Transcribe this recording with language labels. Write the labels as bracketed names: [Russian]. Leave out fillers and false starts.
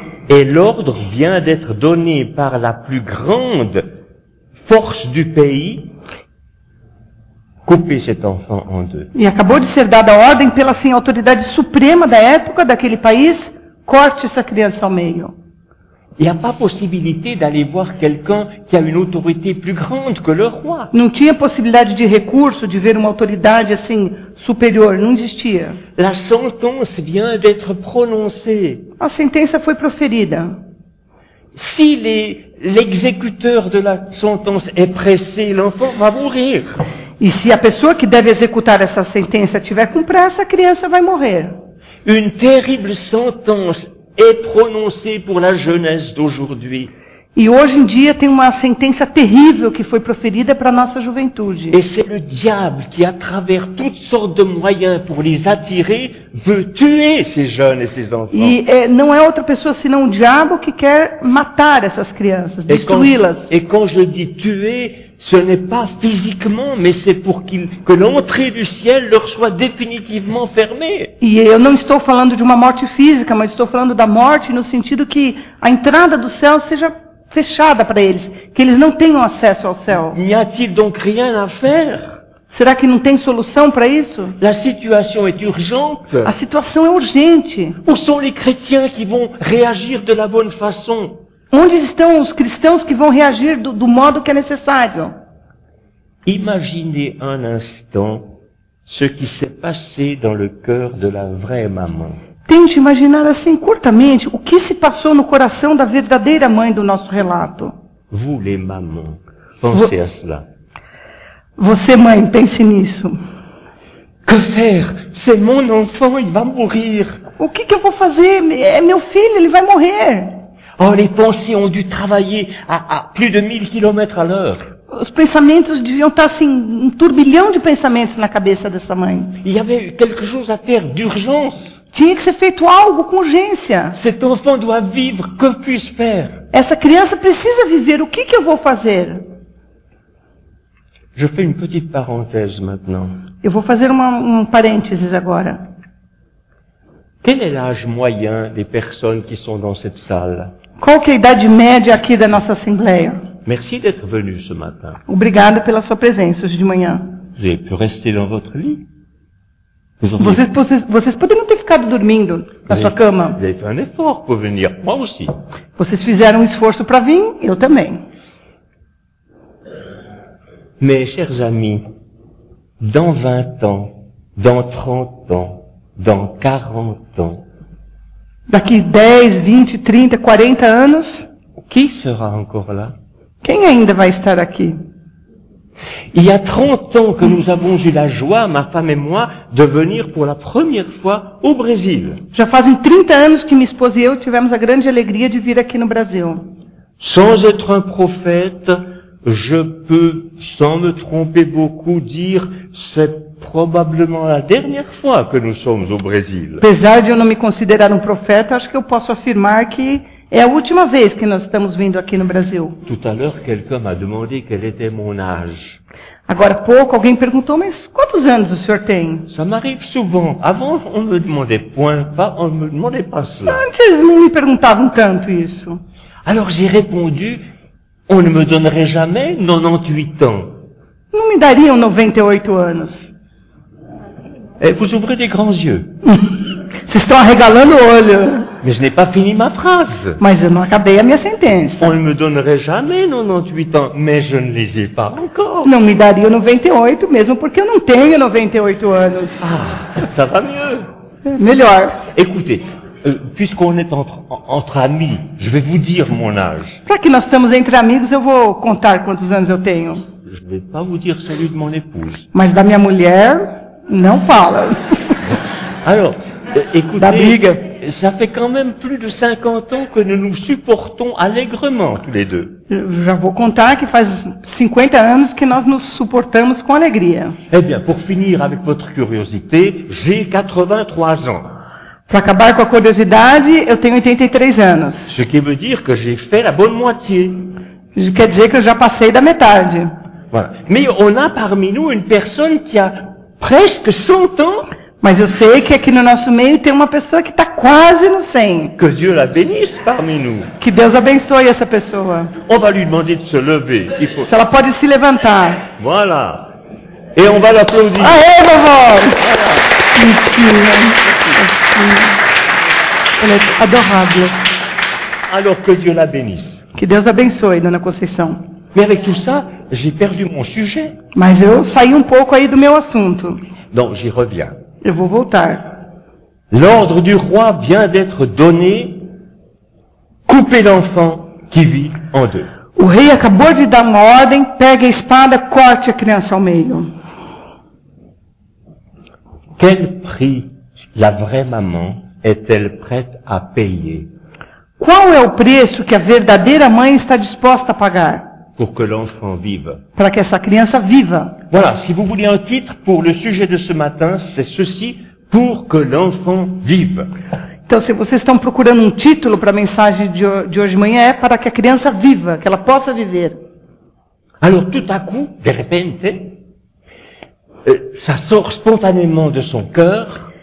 [French] Et l'ordre vient d'être donné par la plus grande force du pays. Couper cet enfant en deux. [Portuguese] E acabou de ser dada a ordem pela assim, autoridade suprema da época daquele país. Corte essa criança ao meio. [French] Il n'y a pas possibilité d'aller voir quelqu'un qui a une autorité plus grande que le roi. [Portuguese] Não tinha possibilidade de recurso de ver uma autoridade assim superior, não existia. [French] La sentence vient d'être prononcée. [Portuguese] A sentença foi proferida. [French] Si l'exécuteur de la sentence est pressé, l'enfant va mourir. [Portuguese] E se a pessoa que deve executar essa sentença tiver com pressa, a criança vai morrer. [French] Une terrible sentence est prononcée pour la jeunesse d'aujourd'hui. [Portuguese] E hoje em dia tem uma sentença terrível que foi proferida para a nossa juventude. [French] Et c'est le diable qui, à travers toutes sortes de moyens pour les attirer, veut tuer ces jeunes et ces enfants. [Portuguese] E não é outra pessoa senão o diabo que quer matar essas crianças, destruí-las. [French] Et quand je dis tuer, ce n'est pas physiquement, mais c'est pour que l'entrée du ciel leur soit définitivement fermée. [Portuguese] E eu não estou falando de uma morte física, mas estou falando da morte no sentido que a entrada do céu seja fechada para eles, que eles não tenham acesso ao céu. [French] N'y a-t-il donc rien à faire? [Portuguese] Será que não tem solução para isso? [French] La situation est urgente. [Portuguese] A situação é urgente. [French] Où sont les chrétiens qui vont réagir de la bonne façon? [Portuguese] Onde estão os cristãos que vão reagir do modo que é necessário? [French] Imaginez un instant ce qui s'est passé dans le cœur de la vraie maman. [Portuguese] Tente imaginar assim curtamente o que se passou no coração da verdadeira mãe do nosso relato. [French] Vous, les mamans, pensez à cela. [Portuguese] Você, mãe, pense nisso. [French] Que faire? C'est mon enfant, il va mourir. [Portuguese] O que que eu vou fazer? É meu filho, ele vai morrer. [French] Oh, les pensées ont dû travailler à plus de 1000 km à l'heure. [Portuguese] Os pensamentos deviam estar assim, um turbilhão de pensamentos na cabeça dessa mãe. [French] Il y avait quelque chose à faire d'urgence. [Portuguese] Tinha que ser feito algo com urgência. [French] Cet enfant doit vivre, que puis-je faire? [Portuguese] Essa criança precisa viver, o que que eu vou fazer? [French] Je fais une petite parenthèse maintenant. [Portuguese] Eu vou fazer um parênteses agora. [French] Quel est l'âge moyen des personnes qui sont dans cette salle? [Portuguese] Qual que é a idade média aqui da nossa assembleia? [French] Merci d'être venu ce matin. [Portuguese] Obrigada pela sua presença hoje de manhã. [French] Vous avez pu rester dans votre lit? [Portuguese] Vocês poderiam ter ficado dormindo na sua cama. [French] Vous avez fait un effort pour venir. Moi aussi. [Portuguese] Vocês fizeram um esforço para vir, eu também. [French] Mes chers amis, dans 20 ans, dans 30 ans, dans 40 ans. [Portuguese] Daqui 10, 20, 30, 40 anos, [French] qui sera encore là? [Portuguese] Quem ainda vai estar aqui? [French] Il y a 30 ans que nous avons eu la joie, ma femme et moi, de venir pour la première fois au Brésil. [Portuguese] Já fazem 30 anos que minha esposa e eu tivemos a grande alegria de vir aqui no Brasil. [French] Sans être un prophète, je peux, sans me tromper beaucoup, dire c'est probablement la dernière fois que nous sommes au Brésil. [Portuguese] Apesar de eu não me considerar um profeta, acho que eu posso afirmar que É a última vez que nós estamos vindo aqui no Brasil. [French] Tout à l'heure, quelqu'un m'a demandé quel était mon âge. [Portuguese] Agora pouco alguém perguntou, mas quantos anos o senhor tem? [French] Ça m'arrive souvent. Avant, on me demandait point, pas, on me demandait pas cela. [Portuguese] Antes não me perguntavam tanto isso. [French] Alors j'ai répondu, on ne me donnerait jamais 98 ans. [Portuguese] Não me dariam 98 anos. [French] Et vous ouvrez des grands yeux. [Portuguese] Vocês estão arregalando o olho. [French] Mais je n'ai pas fini ma phrase. [Portuguese] Mas eu não acabei a minha sentença. [French] On ne me donnerait jamais 98 ans, mais je ne les ai pas encore. [Portuguese] Não me daria 98, mesmo porque eu não tenho 98 anos. [French] Ah, ça va mieux. [Portuguese] Melhor. [French] Écoutez, puisqu'on est entre amis, je vais vous dire mon âge. [Portuguese] Para que nós estamos entre amigos, eu vou contar quantos anos eu tenho. [French] Je vais pas vous dire celui de mon épouse. [Portuguese] Mas da minha mulher, não fala. [French] Alors, écoutez, [Portuguese] da briga. [French] Ça fait quand même plus de 50 ans que nous nous supportons allègrement tous les deux. [Portuguese] Já vou contar que faz 50 anos que nós nos suportamos com alegria. [French] Eh bien, pour finir avec votre curiosité, j'ai 83 ans. [Portuguese] Para acabar com a curiosidade, eu tenho 83 anos. [French] Ce qui veut dire que j'ai fait la bonne moitié. [Portuguese] Isso quer dizer que eu já passei da metade. [French] Voilà. Mais on a parmi nous une personne qui a presque 100 ans. [Portuguese] Mas eu sei que aqui no nosso meio tem uma pessoa que está quase no 100. [French] Que Dieu la bénisse parmi nous. [Portuguese] Que Deus abençoe essa pessoa. [French] On va lui demander de se lever. Il faut... [Portuguese] Se ela pode se levantar. [French] Voilà. Et on va l'applaudir. [Portuguese] Aê, vovó! [French] Voilà. [Portuguese] Ela é adorável. [French] Alors que Dieu la bénisse. [Portuguese] Que Deus abençoe, Dona Conceição. [French] Mais avec tout ça, j'ai perdu mon sujet. [Portuguese] Mas eu saí um pouco aí do meu assunto. [French] Donc, j'y reviens. [Portuguese] Eu vou voltar. [French] L'ordre du roi vient d'être donné. Coupez l'enfant qui vit en deux. [Portuguese] O rei acabou de dar uma ordem. Pegue a espada, corte a criança ao meio. [French] Quel prix la vraie maman est-elle prête à payer? [Portuguese] Qual é o preço que a verdadeira mãe está disposta a pagar? [French] Pour que l'enfant vive. [Portuguese] Para que essa criança viva. [French] Voilà, si vous voulez un titre pour le sujet de ce matin, c'est ceci, pour que l'enfant vive. [Portuguese] Então, se vocês estão procurando um título para a mensagem de hoje de manhã, é para que a criança viva, que ela possa viver. [French] Alors, tout à coup, [Portuguese] de repente, [French] ça sort spontanément de son cœur.